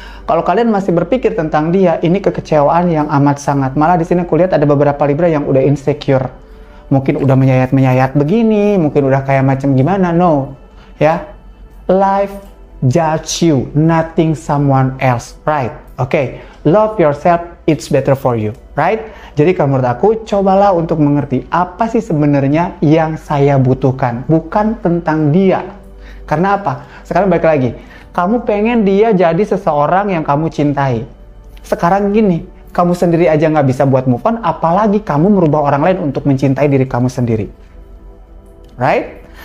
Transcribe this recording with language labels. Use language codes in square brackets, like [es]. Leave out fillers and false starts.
[id] Kalau kalian masih berpikir tentang dia, ini kekecewaan yang amat sangat. Malah di sini aku lihat ada beberapa Libra yang udah insecure. Mungkin udah menyayat-menyayat begini, mungkin udah kayak macam gimana, no. [en] Ya, life judge you, nothing someone else, right? Okay, love yourself, it's better for you, right? [id] Jadi kalau menurut aku, cobalah untuk mengerti apa sih sebenarnya yang saya butuhkan. Bukan tentang dia. Karena apa? Sekarang balik lagi, kamu pengen dia jadi seseorang yang kamu cintai. Sekarang gini, kamu sendiri aja nggak bisa buat move on, apalagi kamu merubah orang lain untuk mencintai diri kamu sendiri. Right?